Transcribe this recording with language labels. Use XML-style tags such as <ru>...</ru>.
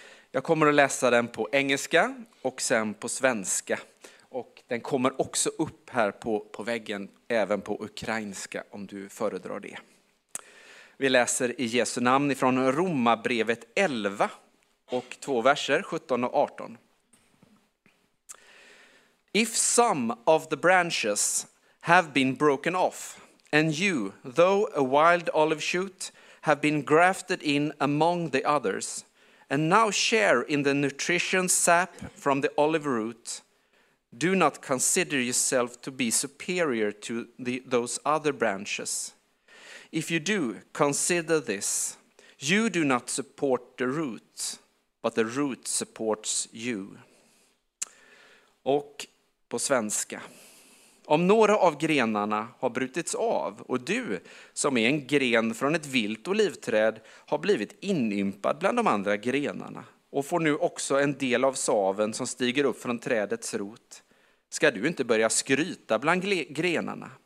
<sv>Jag kommer att läsa den på engelska och sen på svenska. Och den kommer också upp här på väggen, även på ukrainska om du föredrar det. Vi läser i Jesu namn ifrån Romarbrevet 11 och två verser, 17 och 18.</sv> <en>If some of the branches have been broken off, and you, though a wild olive shoot, have been grafted in among the others, and now share in the nutrition sap from the olive root, do not consider yourself to be superior to those other branches. If you do, consider this. You do not support the root, but the root supports you.</en> <sv>Och på svenska. Om några av grenarna har brutits av och du, som är en gren från ett vilt olivträd, har blivit inympad bland de andra grenarna och får nu också en del av saven som stiger upp från trädets rot, ska du inte börja skryta bland grenarna.</sv>